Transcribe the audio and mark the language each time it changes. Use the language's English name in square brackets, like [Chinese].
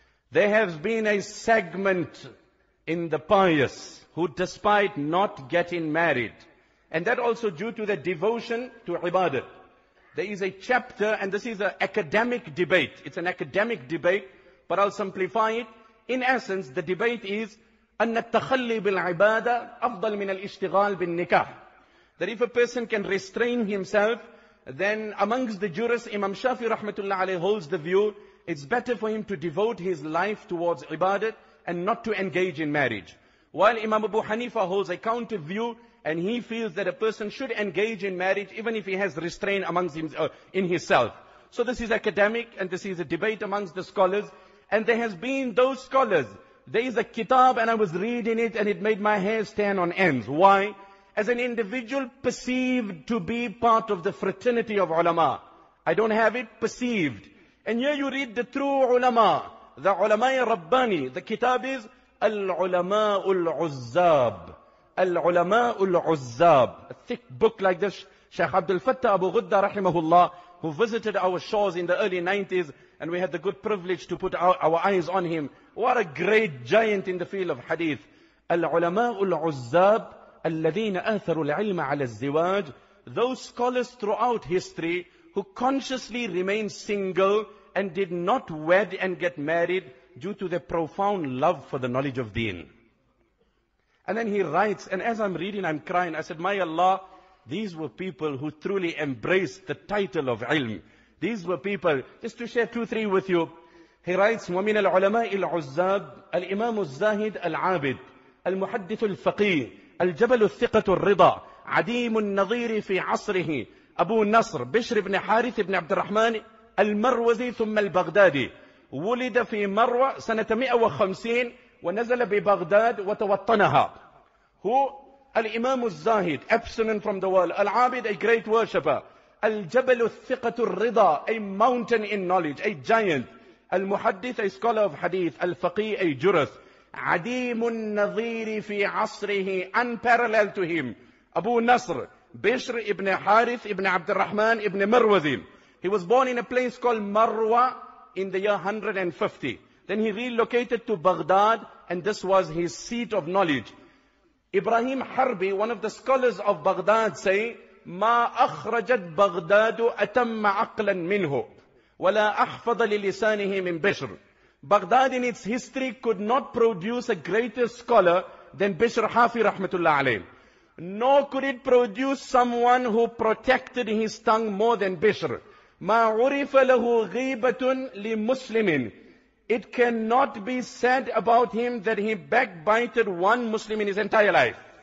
[English] There has been a segment in the pious who despite not getting married, and that also due to their devotion to ibadat. There is a chapter, and this is an academic debate. It's an academic debate, but I'll simplify it. In essence, the debate is [Arabic] أن التخلي بالعبادة أفضل من الاشتغال بالنكاح. [English] That if a person can restrain himself, then amongst the jurists, Imam Shafi rahmatullah alayhi holds the view, it's better for him to devote his life towards ibadat and not to engage in marriage. While Imam Abu Hanifa holds a counter view, and he feels that a person should engage in marriage even if he has restraint amongst him, in himself. So this is academic, and this is a debate amongst the scholars. And there has been those scholars. There is a kitab, and I was reading it, and it made my hair stand on ends. Why? As an individual perceived to be part of the fraternity of ulama. I don't have it perceived. And here you read the true ulama, the ulama-i Rabbani. The kitab is Al-Ulama'u Al-Uzzab. Al-Ulama'u Al-Uzzab. A thick book like this. Shaykh Abdul Fattah Abu Ghudda rahimahullah, who visited our shores in the early 90s, and we had the good privilege to put our eyes on him. What a great giant in the field of hadith. Al-Ulama'u Al-Uzzab. [Arabic] الذين آثروا العلم على الزواج. [English] Those scholars throughout history who consciously remained single and did not wed and get married due to their profound love for the knowledge of deen. And then he writes, and as I'm reading, I'm crying. I said, my Allah, these were people who truly embraced the title of ilm. These were people, just to share two, three with you. He writes, [Arabic] وَمِنَ الْعُلَمَاءِ الْعُزَّابِ الْإِمَامُ الزَّاهِدِ الْعَابِدِ الْمُحَدِّثُ الْفَقِيهِ الجبل الثقة الرضا عديم النظير في عصره أبو نصر بشر بن حارث بن عبد الرحمن المروزي ثم البغدادي ولد في مروة سنة 150 ونزل ببغداد وتوطنها. [English] Who? [Arabic] الإمام الزاهد, [English] absent from the world. [Arabic] العابد, [English] a great worshipper. [Arabic] الجبل الثقة الرضا, [English] a mountain in knowledge, a giant. [Arabic] المحدث, [English] a scholar of hadith. [Arabic] الفقيه, [English] a jurist. [Arabic] عديم النظير في عصره, [English] unparalleled to him. Abu Nasr, Bishr ibn Harith ibn Abd al-Rahman ibn Marwazi. He was born in a place called Marwa in the year 150. Then he relocated to Baghdad, and this was his seat of knowledge. Ibrahim Harbi, one of the scholars of Baghdad, say, [Arabic] ما أخرجت بغداد أتم عقلا منه ولا أحفظ للسانه من بشر. [English] Baghdad in its history could not produce a greater scholar than Bishr Hafi rahmatullah alayhi. Nor could it produce someone who protected his tongue more than Bishr. [Arabic] Ma urifa lahu ghibatun li muslimin. [English] It cannot be said about him that he backbited one Muslim in his entire life.